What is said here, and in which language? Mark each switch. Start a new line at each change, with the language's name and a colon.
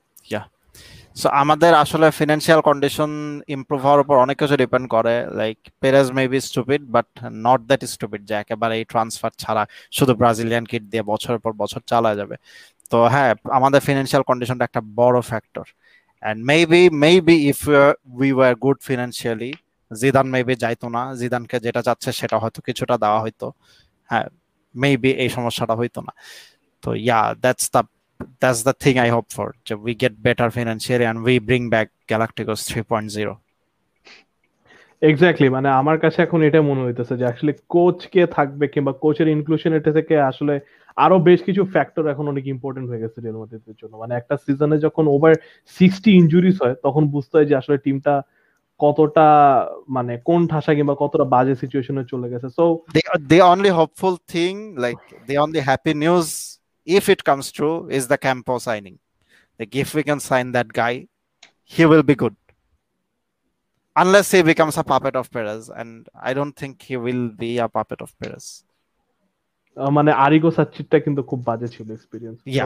Bangla: ইয়া, so আমাদের আসলে financial condition improve হওয়ার উপর অনেক কিছু ডিপেন্ড করে, like
English: Perez maybe stupid but not that stupid
Bangla: যে একেবারে এই ট্রান্সফার ছাড়া শুধু ব্রাজিলিয়ান কিট দিয়ে বছরের পর বছর চালা যাবে। তো হ্যাঁ, আমাদের ফিনান্সিয়াল কন্ডিশনটা একটা বড় factor,
English: and maybe if we were good financially
Bangla: Zidane maybe যাইতো না, জিদানকে যেটা চাচ্ছে সেটা হয়তো কিছুটা দেওয়া হইতো, হ্যাঁ মেবি এই সমস্যাটা হইতো না।
English: তো yeah, that's the thing I hope for, that we get better financially and we bring back Galacticos 3.0.
Bangla: Exactly, মানে আমার কাছে এখন এটা মনে হইতেছে যে আসলে কোচ কে থাকবে কিংবা কোচের ইনক্লুশন এটা থেকে আসলে আরো বেশ কিছু ফ্যাক্টর এখন অনেক ইম্পর্টেন্ট হয়ে গেছে রিয়াল মাদ্রিদের জন্য। মানে একটা সিজনে যখন ওভার 60 ইনজুরিজ হয় তখন বুঝতে হয় যে আসলে টিমটা কতটা মানে কোন ঠাসা কিংবা কতটা বাজে সিচুয়েশনে চলে গেছে। So
English: They only hopeful thing, like they only happy news if it comes true is the Campo signing. Like if we can sign that guy, he will be good, unless he becomes a puppet of Perez, and I don't think he will be a puppet of Perez.
Bangla: মানে আরিগো সাচিটা কিন্তু খুব বাজে ছিল experience.